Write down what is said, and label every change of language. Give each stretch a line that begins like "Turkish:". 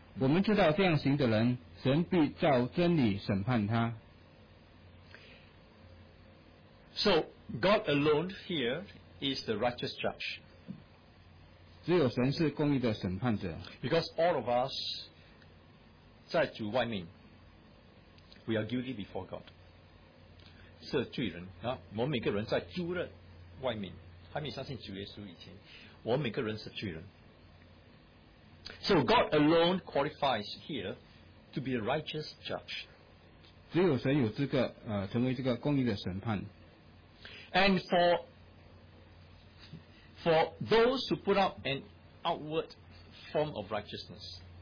Chinese: 我们知道这样行的人，神必照真理审判他。
English: So God alone here is the righteous judge.
Chinese: 只有神是公义的审判者。
English: Because all of us
Chinese: 在主外面
English: ，we are guilty before God，
Chinese: 是罪人啊！我们每个人在主的外面，还没相信主耶稣以前，我们每个人是罪人。
English: So God alone qualifies here to be a righteous judge。
Chinese: 只有神有资格成为这个公义的审判。
English: And for those who put up an outward form of righteousness.